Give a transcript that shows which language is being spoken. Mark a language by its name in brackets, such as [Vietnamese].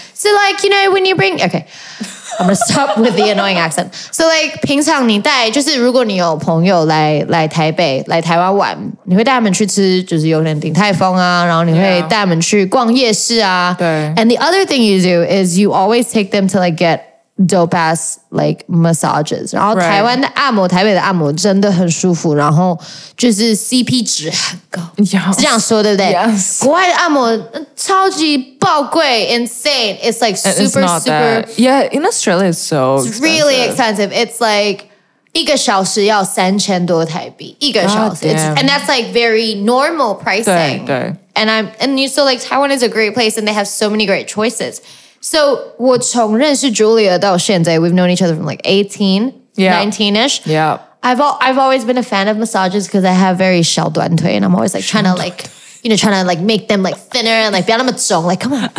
[English] So like, you know, when you bring okay. I'm gonna stop with the annoying accent. [Chinese] So like 平常你带就是如果你有朋友来台北来台湾玩，你会带他们去吃，就是有点顶泰丰啊，然后你会带他们去逛夜市啊。 [English] And the other thing you do is you always take them to like get dope ass like massages. [Chinese] 然后台湾的按摩，台北的按摩真的很舒服，然后就是 CP 值很高，是这样说对不对？ [English] Yes. [Chinese] 国外的按摩超级爆贵， insane. [English] It's like super super. Yeah, in Australia it's so expensive. It's really expensive. It's like [Chinese] 一个小时要3000多台币，一个小时。 [English] And that's like very normal pricing. [Chinese] 对对。 [English] And Taiwan is a great place, and they have so many great choices. So, [Chinese] 我从认识 Julia 到现在, [English] we've known each other from like 18, 19-ish. Yeah. I've always been a fan of massages because I have very 小短腿, and I'm always like trying to like, you know, trying to like make them like thinner and like [Chinese] 不要那么重, [English] like come on.